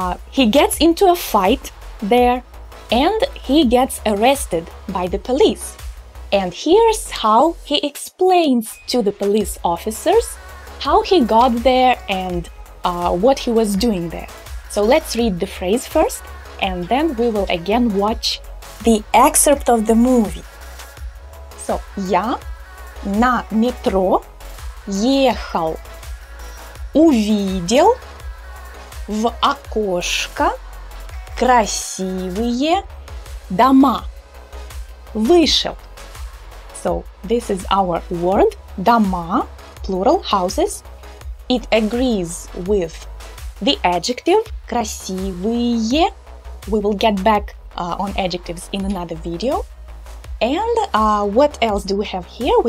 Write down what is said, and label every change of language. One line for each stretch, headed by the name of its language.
English: He gets into a fight there and he gets arrested by the police. And here's how he explains to the police officers how he got there and what he was doing there. So let's read the phrase first and then we will again watch the excerpt of the movie.
Russian: So, я на метро ехал, увидел в окошко красивые дома, вышел.
English: So, this is our word, дома, plural, houses. It agrees with the adjective красивые. We will get back on adjectives in another video. And what else do we have here?